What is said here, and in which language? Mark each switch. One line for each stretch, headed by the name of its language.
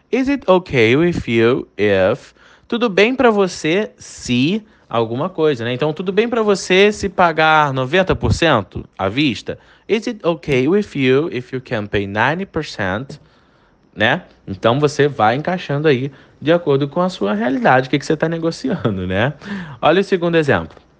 English: Is it okay with you if?
Portuguese: Tudo bem para você se alguma coisa, né? Então, tudo bem para você se pagar 90% à vista?
English: Is it okay with you if you can pay 90%?
Portuguese: Né? Então você vai encaixando aí de acordo com a sua realidade, o que que você está negociando, né? Olha o segundo exemplo.